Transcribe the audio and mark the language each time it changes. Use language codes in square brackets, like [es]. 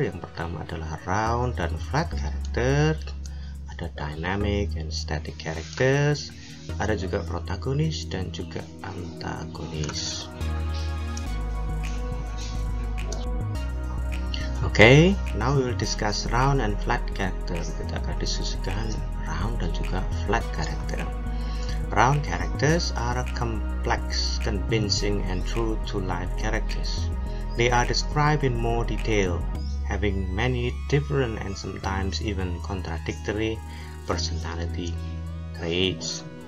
[id] Yang pertama adalah round dan flat character. Ada dynamic and static characters. Ada juga protagonis dan juga antagonis. [en] Okay, now we will discuss round and flat character. [id] Kita akan diskusikan round dan juga flat character. [en] Round characters are complex, convincing, and true to life characters. They are described in more detail, having many different and sometimes even contradictory personality traits.